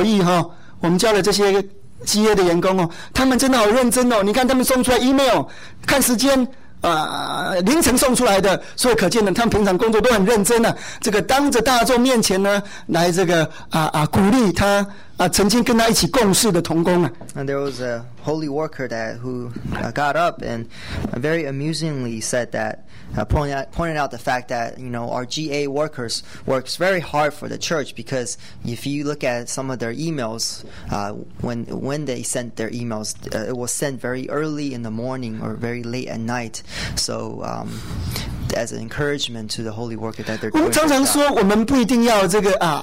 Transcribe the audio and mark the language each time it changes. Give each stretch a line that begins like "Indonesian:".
Chinese: thing.很有趣，就是看到我们的这个有的工人呢，利用这个大会的时候呢，来谈一谈说，哎呀，其实我们因为他是在教会里面是负责一些行政工作啦，他就会提到说啊，我们教会的这些哈employee哈，我们教的这些。企业的员工哦，他们真的好认真哦。你看他们送出来email，看时间，凌晨送出来的，所以可见呢，他们平常工作都很认真呢、啊。这个当着大众面前呢，来这个鼓励他曾经跟他一起共事的同工啊。
English: And there was a holy worker that who got up and very amusingly said that. Pointed out the fact that you know our GA workers works very hard for the church because if you look at some of their emails, when they sent their emails, it was sent very early in the morning or very late at night. So as an encouragement to the holy worker that they're doing.
Chinese: 我们常常说我们不一定要这个。